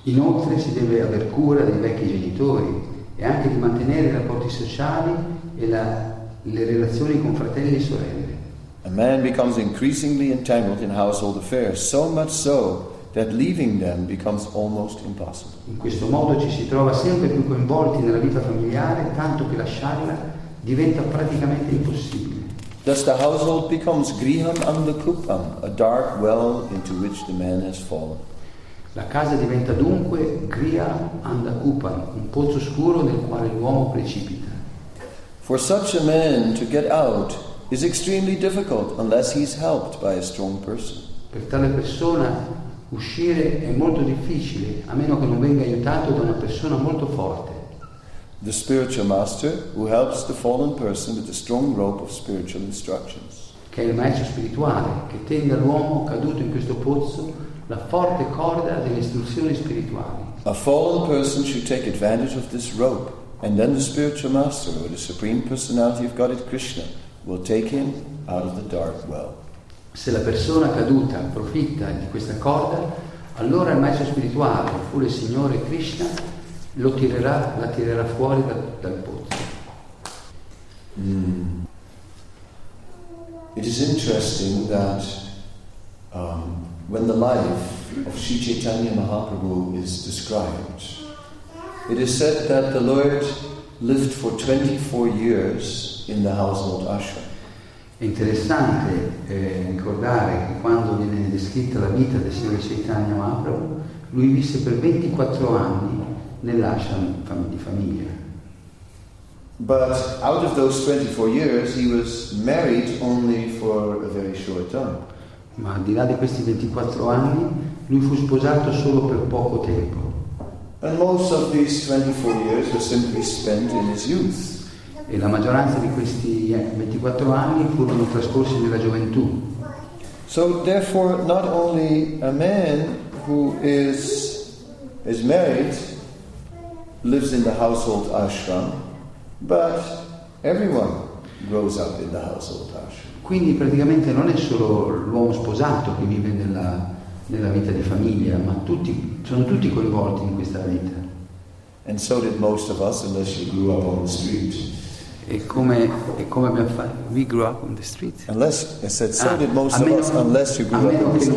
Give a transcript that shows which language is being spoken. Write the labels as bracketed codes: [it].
[it] Inoltre si deve aver cura dei vecchi genitori e anche di mantenere i rapporti sociali e le relazioni con fratelli e sorelle. [en] A man becomes increasingly entangled in household affairs, so much so that leaving them becomes almost impossible. [it] In questo modo ci si trova sempre più coinvolti nella vita familiare, tanto che lasciarla diventa praticamente impossibile. [en] Thus the household becomes griham andakupam, a dark well into which the man has fallen. [it] La casa diventa dunque griham andakupam, un pozzo scuro nel quale l'uomo precipita. [en] For such a man to get out is extremely difficult unless he is helped by a strong person. [it] Per tale persona uscire è molto difficile a meno che non venga aiutato da una persona molto forte. [en] The spiritual master who helps the fallen person with the strong rope of spiritual instructions. [it] Che è il maestro spirituale che tende all'uomo caduto in questo pozzo la forte corda delle istruzioni spirituali. [en] A fallen person should take advantage of this rope And then the spiritual master or the supreme personality of Godhead Krishna will take him out of the dark well. [it] Se la persona caduta approfitta di questa corda, allora il maestro spirituale, oppure il Signore Krishna, lo tirerà, la tirerà fuori dal pozzo. [en] It is interesting that when the life of Sri Chaitanya Mahaprabhu is described, it is said that the Lord lived for 24 years in the household ashram. [it] È interessante ricordare che quando viene descritta la vita del Signore Chaitanya Mahaprabhu, lui visse per 24 anni nell'ashram di famiglia. [en] But out of those 24 years he was married only for a very short time. [it] Ma al di là di questi 24 anni lui fu sposato solo per poco tempo. [en] And most of these 24 years were simply spent in his youth. [it] E la maggioranza di questi 24 anni furono trascorsi nella gioventù. [en] So therefore not only a man who is married lives in the household ashram, but everyone grows up in the household ashram. [it] Quindi praticamente non è solo l'uomo sposato che vive nella vita di famiglia, ma sono tutti coinvolti in questa vita. [en] And so did most of us, unless you grew up on the street. [it] E come abbiamo fatto? [en] We grew up on the street. Unless I said so did most of us, unless you grew up on the street.